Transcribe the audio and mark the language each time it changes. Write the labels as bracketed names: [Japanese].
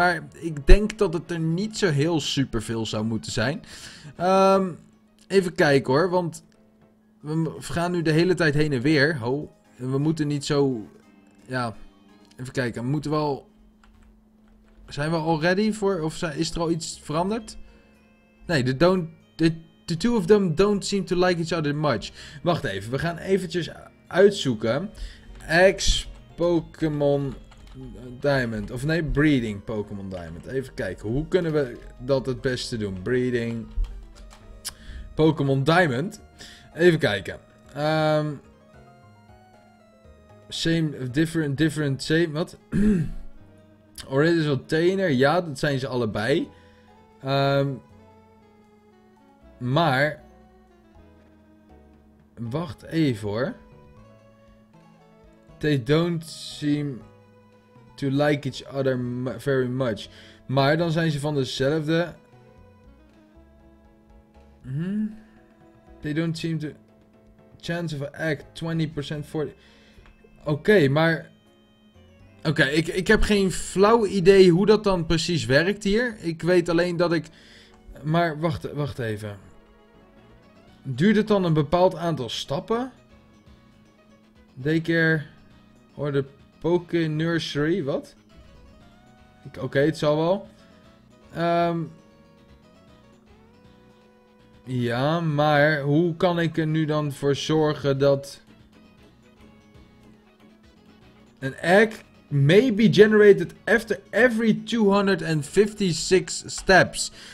[Dutch] Maar ik denk dat het er niet zo heel super veel zou moeten zijn. Even kijken hoor, want we gaan nu de hele tijd heen en weer. Ho, we moeten niet zo... Ja... Even kijken, moeten we al... Zijn we al ready voor... Of is er al iets veranderd? [English] Nee, the two of them don't seem to like each other much. [Dutch] Wacht even, we gaan eventjes uitzoeken. Ex-Pokémon Diamond. Of nee, Breeding Pokémon Diamond. Even kijken, hoe kunnen we dat het beste doen? Breeding Pokémon Diamond. Even kijken. [English] Same, different, same, [Dutch] wat? Original Trainer, ja, dat zijn ze allebei. Maar, wacht even hoor. [English] They don't seem to like each other very much. [Dutch] Maar dan zijn ze van dezelfde. [English] They don't seem to... Chance of an egg, 20% for... Oké, maar... [Dutch] Oké, ik heb geen flauw idee hoe dat dan precies werkt hier. Ik weet alleen dat ik... Maar wacht even. Duurt het dan een bepaald aantal stappen? Daycare... [English] Or the Poké Nursery, [Dutch] wat? Oké, het zal wel. Ja, maar hoe kan ik er nu dan voor zorgen dat... [English] An egg may be generated after every 256 steps.